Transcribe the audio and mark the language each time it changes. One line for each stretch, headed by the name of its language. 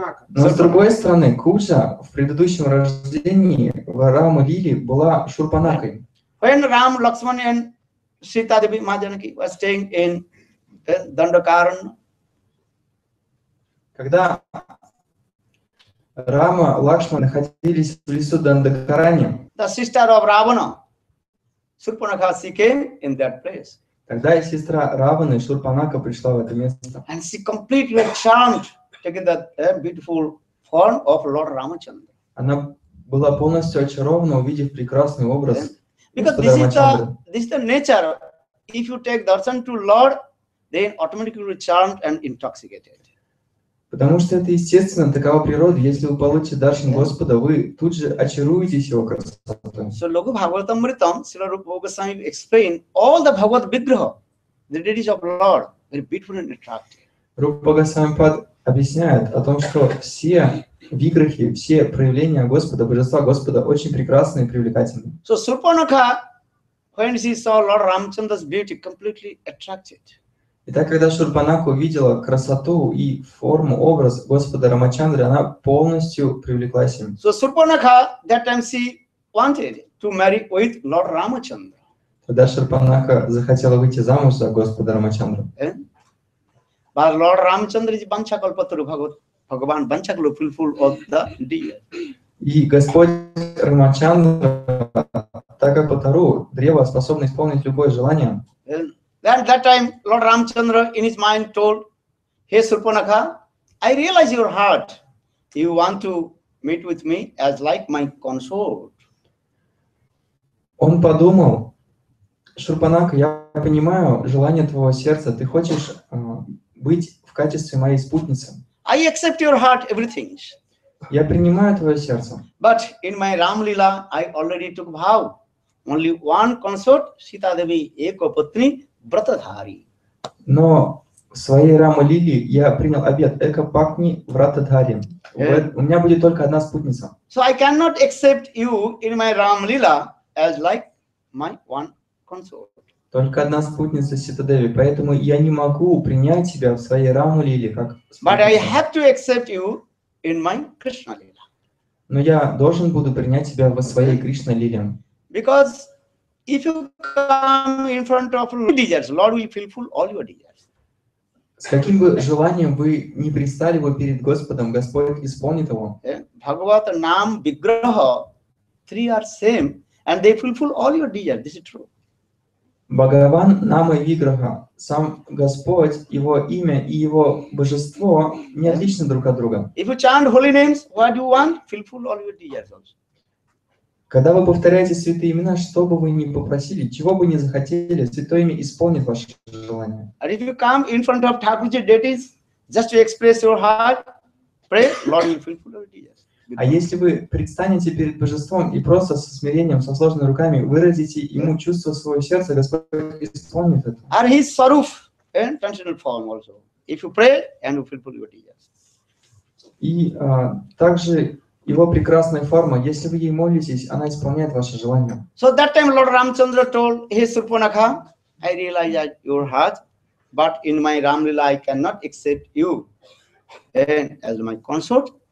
Russian: Но с другой стороны, Кубджа в предыдущем рождении в Рама Лили была Шурпанакой.
English: When Ram, Lakshman and Sita Devi Mahajanaki were staying in Dandakaranya.
Russian: Когда Рама, Лакшман находились в лесу Дандакаранья.
English: The sister of Ravana, Shurpanaka, she came in that place.
Russian: Тогда и сестра Раваны Шурпанака пришла в это место.
English: And she completely charmed taking that beautiful form of Lord Ramachandra.
Russian: Она была полностью очарована, увидев прекрасный образ.
English: Because this is the nature. If you take darshan to Lord, then automatically charmed and intoxicated.
Russian: Потому что это естественно, такова природа. Если вы получите даршан Господа, вы тут же очаруетесь его красотой.
English: So,
Sanskrit: Loku Bhagavatam Mritam,
English: Srila Rupa Goswami explained all the Bhagavad Vigraha, the deities of Lord, very beautiful and attractive.
Russian: Rupa Goswami Pad объясняет о том, что все виграхи, все проявления Господа, божества Господа, очень прекрасны и привлекательны.
English: So, Surpanakha, when she saw Lord Ramchandra's beauty, completely attracted.
Russian: Итак, когда Шурпанака увидела красоту и форму, образ Господа Рамачандры, она полностью привлеклась им.
English: So Surpanakha that time she wanted to marry with Lord Ramachandra.
Russian: Тогда Шурпанака захотела выйти замуж за Господа Рамачандру.
English: But Lord Ramachandra is Banchakalpataru Bhagavan Banchakalu fulfill of the deer.
Russian: И Господь Рамачандра, так как Патару, древо, способное исполнить любое желание.
English: Then that time Lord Ramchandra in his mind told, "Hey Surpanakha, I realize your heart. You want to meet with me as like my consort."
Russian: Он подумал, Шурпанака, я понимаю желание твоего сердца. Ты хочешь быть в качестве моей спутницы.
English: I accept your heart, everything.
Russian: Я принимаю твое сердце.
English: But in my Ramlila, I already took vow. Only one consort, Sita Devi, eko putri. Вратадхари.
Russian: Но в своей Рама Лили я принял обет
Sanskrit: Эка Пакни Вратадхари.
Russian: У меня будет только одна спутница.
English: So I cannot accept you in my Ram Lila as like my one consort.
Russian: Только одна спутница Ситадеви, поэтому я не могу принять тебя в своей Раму Лили как спутница.
English: But I have to accept you in my Krishna Lila.
Russian: Но я должен буду принять тебя во своей Кришна Лиле.
English: Because if you come in front of your desires, Lord will fulfill all your desires.
Russian: С каким бы желанием вы не предстали его перед Господом, Господь исполнит его.
Sanskrit: Бхагават нам виграха
English: three are same and they fulfill all your desires. This is true.
Sanskrit: Bhagavan Nama Vigraha,
Russian: сам Господь, Его имя и Его божество не отличны друг от друга.
English: If you chant holy names, what do you want? Fulfill all your desires also.
Russian: Когда вы повторяете святые имена, что бы вы ни попросили, чего бы ни захотели, святое имя исполнит ваше желание.
English: And if you come in front of Thakurji deities, just to express your heart, pray, Lord, you fulfill your desires.
Russian: А если вы предстанете перед божеством и просто со смирением, со сложными руками выразите ему чувство своего сердца, Господь исполнит это.
English: And his saruf and transcendental form also. If you pray and you fulfill your desires.
Russian: И также его прекрасная форма, если вы ей молитесь, она исполняет ваше желание.
English: So that time Lord Ramchandra told, hey Surpanakha, I realize that your heart, but in my Ramlila I cannot accept you and as my consort.